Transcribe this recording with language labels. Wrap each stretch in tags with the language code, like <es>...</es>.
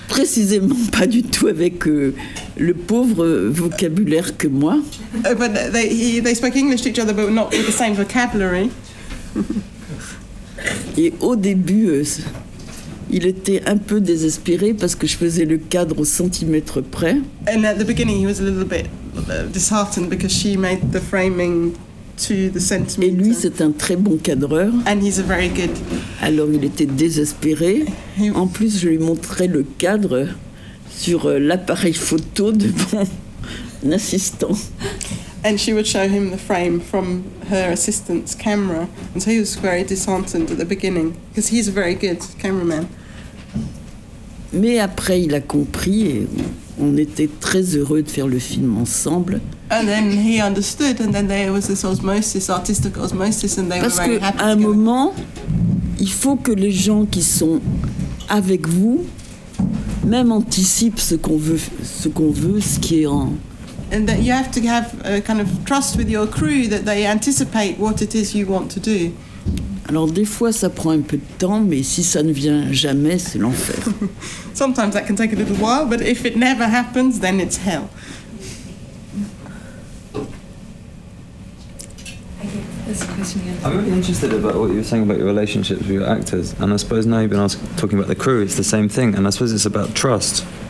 <fr>Précisément, pas du tout avec le pauvre vocabulaire que moi.</fr> <en>But they spoke English to each other, but not with the same vocabulary.</en> <fr>Et au début, il était un peu désespéré parce que je faisais le cadre au centimètre près.</fr> <en>And at the beginning, he was a little bit disheartened because she made the framing... To the centimeter.</en> <fr>Et lui, c'est un très bon cadreur.</fr> <en>And he's a very good...</en> <fr>Alors, il était désespéré. En plus, je lui montrais le cadre sur l'appareil photo de mon assistant.</fr> <en>And she would show him the frame from her assistant's camera. And so he was very disheartened at the beginning, because he's a very good cameraman.</en> <fr>Mais après, il a compris et on était très heureux de faire le film ensemble.</fr> <en>And then he understood, and then there was this osmosis, artistic osmosis, and they</en> <fr>Parce</fr> <en>were very happy.</en> <fr>Parce qu'à un moment, il faut que les gens qui sont avec vous, même anticipent ce qu'on veut, ce qui est en.</fr> <en>And that you have to have a kind of trust with your crew that they anticipate what it is you want to do.</en> <fr>Alors des fois ça prend un peu de temps, mais si ça ne vient jamais, c'est l'enfer.</fr> <en>Sometimes that can take a little while, but if it never happens, then it's hell. I'm really interested about what you were saying about your relationships with your actors, and I suppose now you've been talking about the crew, it's the same thing, and I suppose it's about trust.</en>